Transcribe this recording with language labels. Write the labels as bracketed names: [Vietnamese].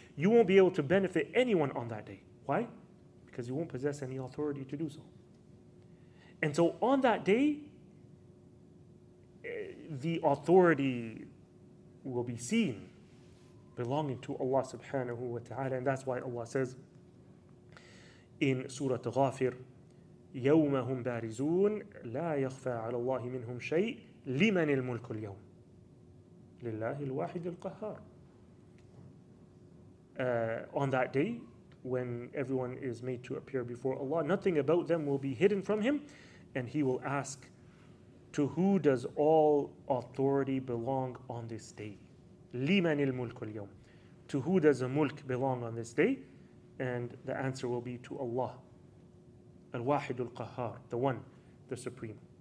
[English] You won't be able to benefit anyone on that day. Why? Because you won't possess any authority to do so. And so on that day, the authority will be seen belonging to Allah subhanahu wa ta'ala. And that's why Allah says in Surah Ghafir, [Arabic] يَوْمَ هُمْ بَارِزُونَ لَا يَخْفَى عَلَى اللَّهِ مِنْهُمْ شَيْءٍ لِمَنِ الْمُلْكُ الْيَوْمِ لِلَّهِ الْوَاحِدِ الْقَهَارِ. [English] On that day, when everyone is made to appear before Allah, nothing about them will be hidden from Him, and He will ask, to who does all authority belong on this day? [Arabic] لِمَنِ الْمُلْكُ الْيَوْمِ. [English] To who does the mulk belong on this day? And the answer will be to Allah, [Arabic] الْوَاحِدُ الْقَهَارِ, [English] the One, the Supreme.